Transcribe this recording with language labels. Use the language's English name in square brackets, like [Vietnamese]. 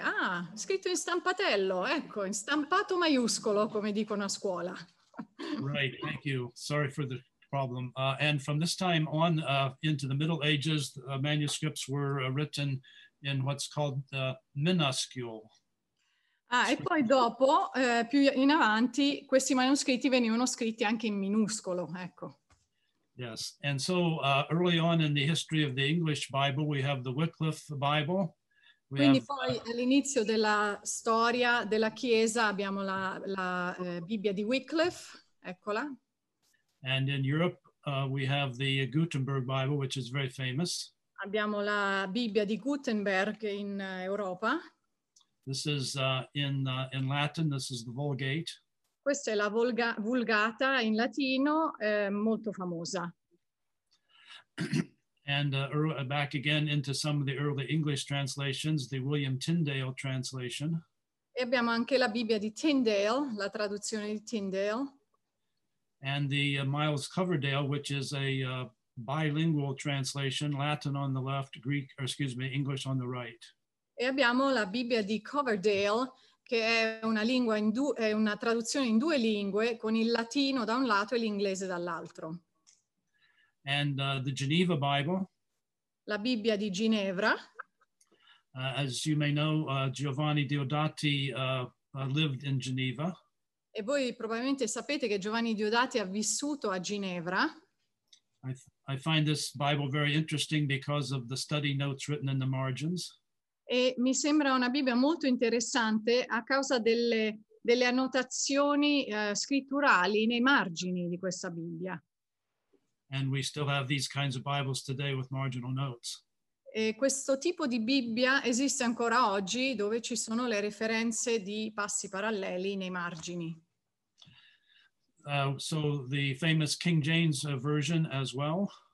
[Italian] Ah, scritto in stampatello, ecco, in stampato maiuscolo, come dicono a scuola. [English] Right, thank you. Sorry for the problem. And from this time on into the Middle Ages, manuscripts were written in what's called the minuscule. [Italian] E poi dopo, più in avanti, questi manoscritti venivano scritti anche in minuscolo, ecco. [English] Yes, and so early on in the history of the English Bible, we have the Wycliffe Bible. [Italian] Quindi poi all'inizio della storia della Chiesa abbiamo la Bibbia di Wycliffe, eccola. [English] And in Europe we have the Gutenberg Bible, which is very famous. [Italian] Abbiamo la Bibbia di Gutenberg in Europa. [English] This is in Latin, this is the Vulgate. [Italian] Questa è la Vulgata in latino, molto famosa. [English] And back again into some of the early English translations, the William Tyndale translation. [Italian] E abbiamo anche la Bibbia di Tyndale, la traduzione di Tyndale. [English] And the Miles Coverdale, which is a bilingual translation, Latin on the left, Greek, or excuse me, English on the right. [Italian] E abbiamo la Bibbia di Coverdale, che è una lingua in due, è una traduzione in due lingue, con il latino da un lato e l'inglese dall'altro. [English] And the Geneva Bible. [Italian] La Bibbia di Ginevra. [English] As you may know, Giovanni Diodati lived in Geneva. [Italian] E voi probabilmente sapete che Giovanni Diodati ha vissuto a Ginevra. [English] I find this Bible very interesting because of the study notes written in the margins. [Italian] E mi sembra una Bibbia molto interessante a causa delle annotazioni scritturali nei margini di questa Bibbia. [English] And we still have these kinds of Bibles today with marginal notes. [Italian] E questo tipo di Bibbia esiste ancora oggi, dove ci sono le referenze di passi paralleli nei margini. [English] So the famous King James version as well.